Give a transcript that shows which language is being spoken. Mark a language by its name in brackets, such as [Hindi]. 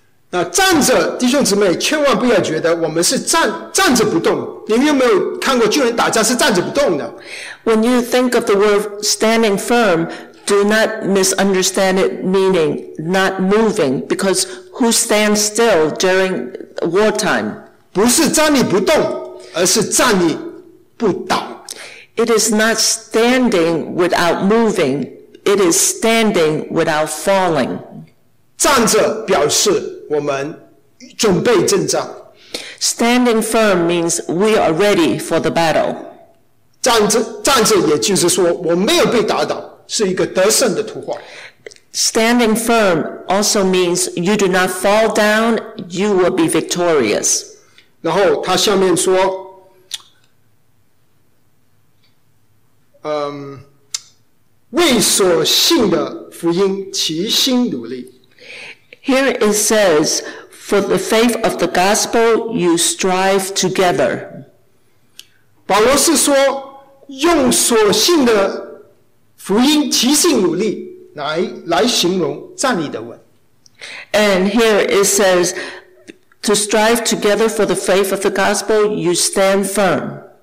[Chinese] 那站着，弟兄姊妹，千万不要觉得我们是站着不动。你们有没有看过军人打架是站着不动的？ [English] When you think of the word standing firm, Do not misunderstand it, meaning not moving, because who stands still during wartime? [Chinese] 不是站立不动，而是站立不倒。 [English] It is not standing without moving, it is standing without falling. [Chinese] 站着表示我们准备征战。 [English] Standing firm means we are ready for the battle. [Chinese] 站着也就是说我没有被打倒，是一个得胜的图画。 [English] Standing firm also means you do not fall down, you will be victorious. [Chinese] 然后他下面说为所信的福音齐心努力。 [English] Here it says, for the faith of the gospel, you strive together. [Chinese] 保罗是说用所信的福音齐心努力 来形容站立的稳。 [English] And here it says, to strive together for the faith of the gospel, you stand firm.